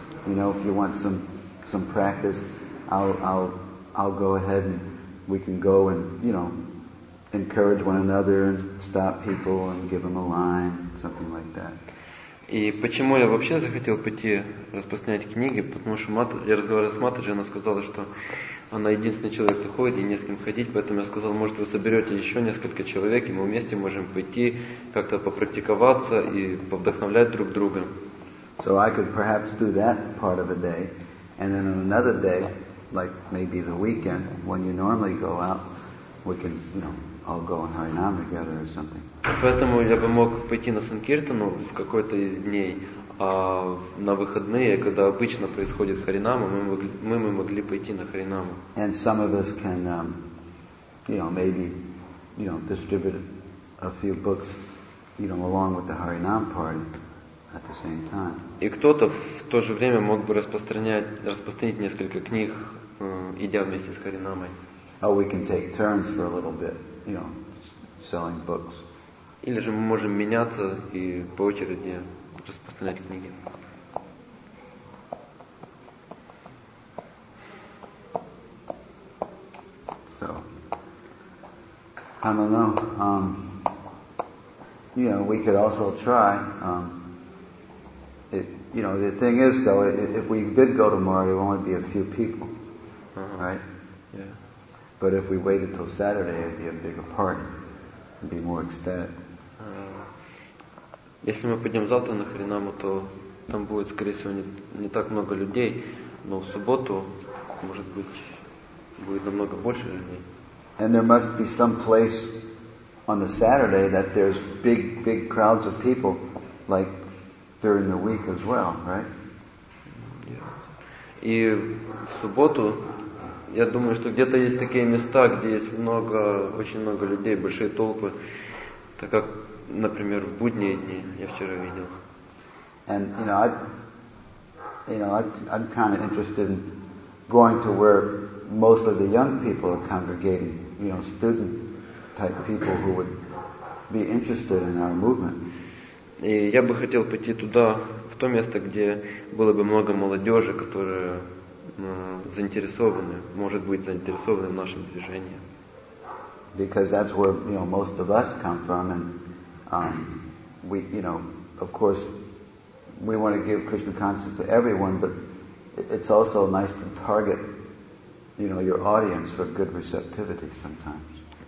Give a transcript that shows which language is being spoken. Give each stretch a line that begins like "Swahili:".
English: You know, if you want some practice, I'll go ahead and we can go and, you know, encourage one another and stop people and give them a line, something like that.
Russian: И почему я вообще захотел пойти распространять книги? Потому что я разговаривал с Матаджи, она сказала, что она единственный человек, кто ходит, и не с кем ходить, поэтому я сказал, может, вы соберете еще несколько человек, и мы вместе можем пойти как-то попрактиковаться и повдохновлять друг друга.
English: So I could perhaps do that part of a day, and then on another day, like maybe the weekend when you normally go out, we can, you know, all go on Harinam together or something.
Russian: Поэтому я бы мог пойти на санкиртану в какой-то из дней, а на выходные, когда обычно происходит Харинама, мы могли пойти на Харинаму.
English: And some of us can, you know, maybe, you know, distribute a few books, you know, along with the Harinam party. At the same time.
Russian: И кто-то в то же время мог бы распространить несколько книг, идя вместе с Харинамой.
English: Or we can take turns for a little bit, you know, selling books.
Russian: Или же мы можем меняться и по очереди распространять книги.
English: So, I don't know. You know, we could also try. You know, the thing is, though, if we did go tomorrow, it would only be a few people, right? Yeah. But if we waited till Saturday, it'd be a bigger party. It'd be more extended.
Russian: Если мы пойдем завтра на Харинаму, то там будет, скорее всего, не так много людей, но в субботу, может быть, будет намного больше людей.
English: And there must be some place on the Saturday that there's big, big crowds of people, like during the week as well, right?
Russian: И в субботу я думаю, что где-то есть такие места, где есть много, очень много людей, большие толпы, так как, например, в будние дни я вчера видел.
English: And I'm kind of interested in going to where most of the young people are congregating, you know, student type people who would be interested in our movement.
Russian: И я бы хотел пойти туда, в то место, где было бы много молодежи, которые заинтересованы, может быть, заинтересованы в нашем движении.
English: Because that's where, you know, most of us come from, and we, you know, of course, we want to give Krishna consciousness to everyone, but it's also nice to target, you know, your audience for good receptivity sometimes.